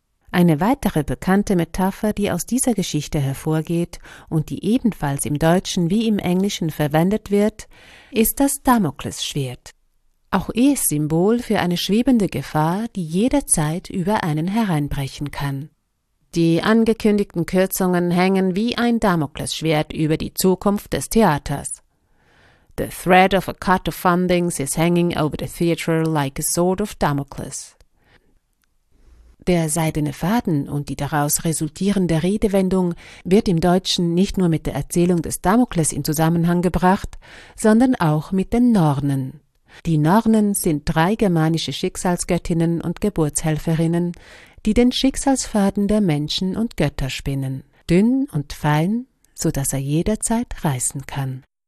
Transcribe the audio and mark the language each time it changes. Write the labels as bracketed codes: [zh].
[de] Eine weitere bekannte Metapher, die aus dieser Geschichte hervorgeht und die ebenfalls im Deutschen wie im Englischen verwendet wird, ist das Damoklesschwert. Auch es Symbol für eine schwebende Gefahr, die jederzeit über einen hereinbrechen kann. Die angekündigten Kürzungen hängen wie ein Damoklesschwert über die Zukunft des Theaters. [en] The thread of a cut of fundings is hanging over the theater like a sword of Damocles. [de] Der seidene Faden und die daraus resultierende Redewendung wird im Deutschen nicht nur mit der Erzählung des Damokles in Zusammenhang gebracht, sondern auch mit den Nornen. Die Nornen sind drei germanische Schicksalsgöttinnen und Geburtshelferinnen, die den Schicksalsfaden der Menschen und Götter spinnen, dünn und fein, so dass er jederzeit reißen kann.